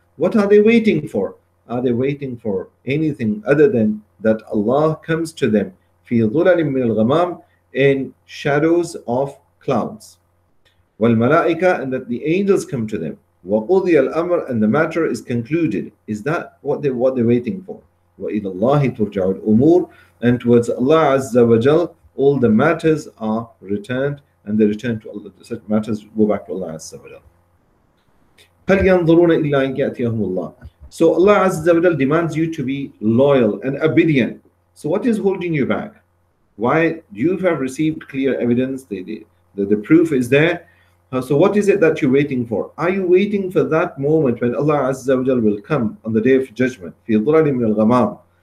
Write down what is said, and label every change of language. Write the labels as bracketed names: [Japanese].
[English] What are they waiting for? Are they waiting for anything other than that Allah comes to them [Arabic] فِي ظُلَلٍ مِّنَ الْغَمَامِ, [English] in shadows of clouds, [Arabic] والملائكة, [English] and that the angels come to them, [Arabic] وقضي الأمر, [English] and the matter is concluded. Is that what they're waiting for? [Arabic] وإلى الله ترجع الأمور, [English] and towards Allah Azza wa Jal all the matters are returned, and they return to Allah, such matters go back to Allah Azza wa Jal. [Arabic] هل ينظرون إلا أن يأتيهم الله. [English] So Allah Azza wa Jal demands you to be loyal and obedient. So what is holding you back? Why do you have received clear evidence? The proof is there. So what is it that you're waiting for? Are you waiting for that moment when Allah Azza wa Jal will come on the day of judgment? [Arabic] في ظُلَلٍ مِّنَ الْغَمَامِ.